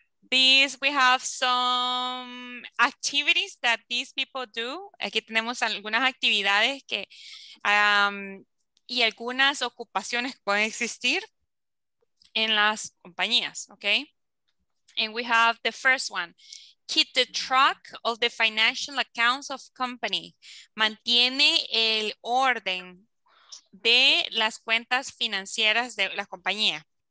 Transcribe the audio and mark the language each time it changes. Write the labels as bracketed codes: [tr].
[en] These, we have some activities that these people do. [es] Aquí tenemos algunas actividades que, y algunas ocupaciones que pueden existir en las compañías, okay? [en] And we have the first one. Keep the track of the financial accounts of company. [es] Mantiene el orden de las cuentas financieras de la compañía.